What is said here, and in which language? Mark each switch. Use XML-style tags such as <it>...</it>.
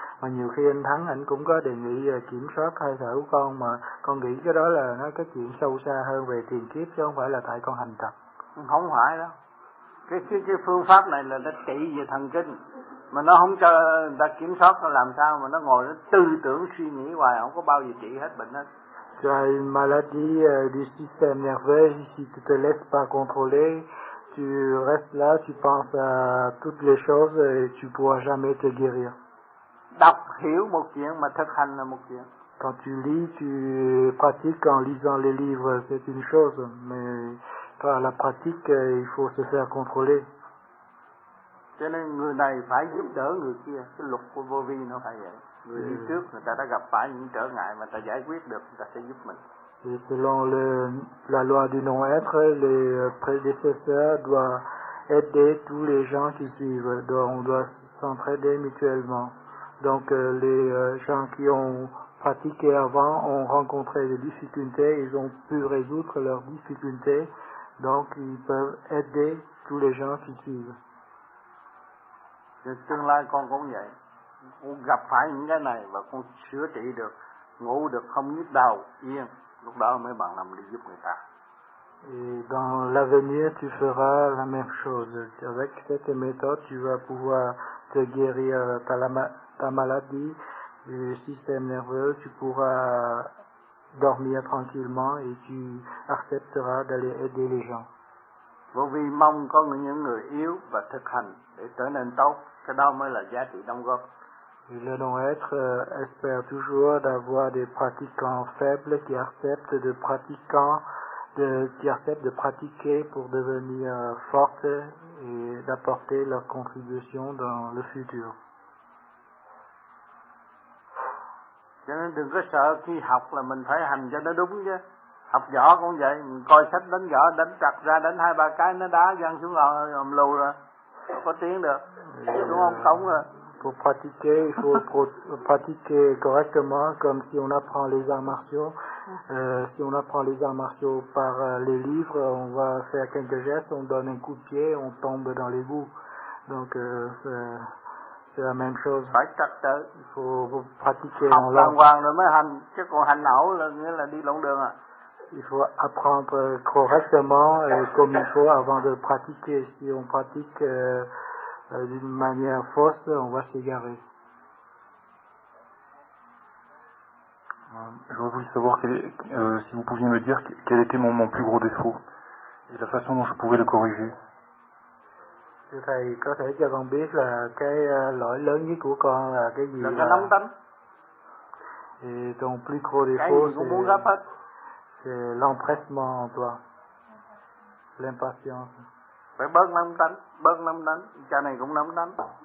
<vi>Mà nhiều khi anh Thắng, anh cũng có đề nghị kiểm soát hơi thở của con, mà con nghĩ cái đó là nó cái chuyện sâu xa hơn về tiền kiếp, chứ không phải là tại con hành tập. Không phải đó. Cái phương pháp này là nó trị về thần kinh. Mà nó không cho người ta kiểm soát, nó làm sao mà nó ngồi nó tư tưởng suy nghĩ hoài, không có bao giờ trị hết bệnh hết.</vi> <fr>Tu as une maladie du système nerveux, si tu te laisses pas contrôler, tu restes là, tu penses à toutes les choses et tu pourras jamais te guérir.</fr> <vi>Đọc hiểu một chuyện mà thực hành là một chuyện.</vi> <fr>Quand tu lis, tu pratiques en lisant les livres, c'est une chose, mais par la pratique, il faut se faire contrôler.</fr> <vi>Cho nên người này phải giúp đỡ người kia, cái luật của vô vi nó phải vậy. Người đi trước người ta đã gặp phải những trở ngại mà ta giải quyết được, người ta sẽ giúp mình.</vi> <fr>Et selon la loi du non-être, les prédécesseurs doivent aider tous les gens qui suivent, donc on doit s'entraider mutuellement. Donc les gens qui ont pratiqué avant ont rencontré des difficultés, ils ont pu résoudre leurs difficultés, donc ils peuvent aider tous les gens qui suivent. Dans le</fr> <vi>tương lai, con cũng vậy. Con gặp phải những cái này và con chữa trị được, ngủ được, không nhức đầu, yên. Lúc đó mới bằng lòng đi giúp người ta.</vi> <fr>Et dans l'avenir, tu feras la même chose. Avec cette méthode, tu vas pouvoir te guérir ta maladie, le système nerveux, tu pourras dormir tranquillement et tu accepteras d'aller aider les gens.</fr> <vi>Vô vi mong có những người yếu và thực hành để trở nên tốt, cái đó mới là giá trị đóng góp.</vi> <fr>Le non-être espère toujours d'avoir des pratiquants faibles qui acceptent de pratiquer pour devenir fortes et d'apporter leur contribution dans le futur.</fr> <vi>Cho nên đừng có sợ khi học là mình phải hành cho nó đúng chứ. Học võ cũng vậy, mình coi sách đánh võ, đánh chặt ra, đánh hai ba cái, nó đá văng xuống ầm lù rồi, không có tiếng được, đúng không Cống rồi.</vi> <fr>Pour pratiquer, il faut pratiquer correctement, comme si on apprend les arts martiaux. Si on apprend les arts martiaux par les livres, on va faire quelques gestes, on donne un coup de pied, on tombe dans les boues. Donc c'est la même chose. Il faut pratiquer en langue. Il faut apprendre correctement et comme il faut avant de pratiquer. Si on pratique d'une manière fausse, on va s'égarer. Je voulais savoir si vous pouviez me dire quel était mon plus gros défaut et la façon dont je pouvais le corriger.</fr> <vi>Thưa thầy, có thể cho con biết là cái lỗi lớn nhất của con là cái gì? Là cái nóng tính.</vi> <fr>Et ton plus gros défaut, c'est l'empressement en toi, l'impatience.</fr> <vi>Phải bớt nóng tính. Bớt nóng tính, cha này cũng nóng tính.</vi>